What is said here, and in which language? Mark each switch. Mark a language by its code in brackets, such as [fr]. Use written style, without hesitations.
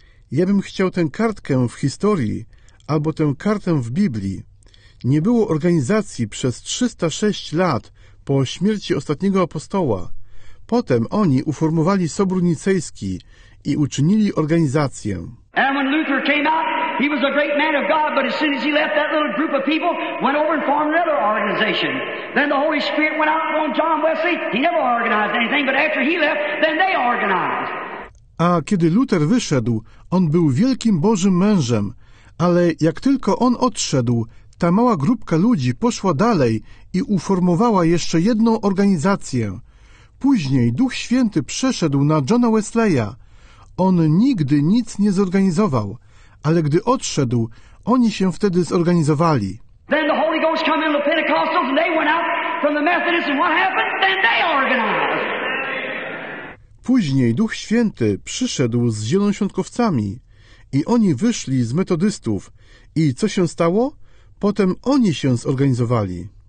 [pl] Ja bym chciał tę kartkę w historii albo tę kartę w Biblii. Nie było organizacji przez 306 lat po śmierci ostatniego apostoła. Potem oni uformowali Sobór Nicejski i uczynili organizację. [en] And when Luther came out, he was a great man of God, but as soon as he left, that little group of people went over and formed another organization. Then the Holy Spirit went out on John Wesley. He never organized anything, but after he left, then they organized. [pl] A kiedy Luther wyszedł, on był wielkim Bożym mężem, ale jak tylko on odszedł, ta mała grupka ludzi poszła dalej i uformowała jeszcze jedną organizację. Później Duch Święty przeszedł na Johna Wesleya. On nigdy nic nie zorganizował, ale gdy odszedł, oni się wtedy zorganizowali. [en] Then the Holy Ghost came in the Pentecostals and they went out from the Methodists and what happened? Then they organized. [pl] Później Duch Święty przyszedł z zielonoświątkowcami i oni wyszli z metodystów. I co się stało? Potem oni się zorganizowali.